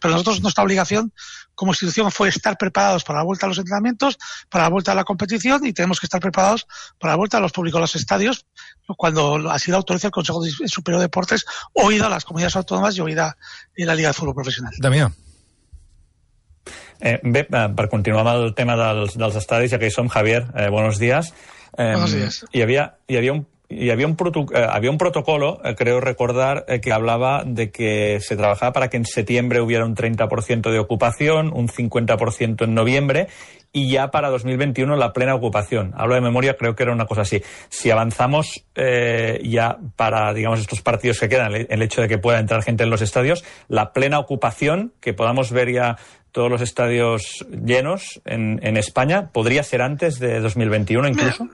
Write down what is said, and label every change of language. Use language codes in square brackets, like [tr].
[es] Pero nosotros, nuestra obligación como institución fue estar preparados para la vuelta a los entrenamientos, para la vuelta a la competición y tenemos que estar preparados para la vuelta a los públicos a los estadios cuando ha sido autorizado el Consejo Superior de Deportes, oído a las comunidades autónomas y oído a la Liga de Fútbol Profesional. Damián. [ca] Bé, per continuar amb el tema dels estadis, ja que hi som, Javier, [es] buenos días. Buenos días. Había un protocolo, creo recordar, que hablaba de que se trabajaba para que en septiembre hubiera un 30% de ocupación, un 50% en noviembre y ya para 2021 la plena ocupación. Hablo de memoria, creo que era una cosa así. Si avanzamos ya para, digamos, estos partidos que quedan, el hecho de que pueda entrar gente en los estadios, la plena ocupación, que podamos ver ya todos los estadios llenos en España, ¿podría ser antes de 2021 incluso?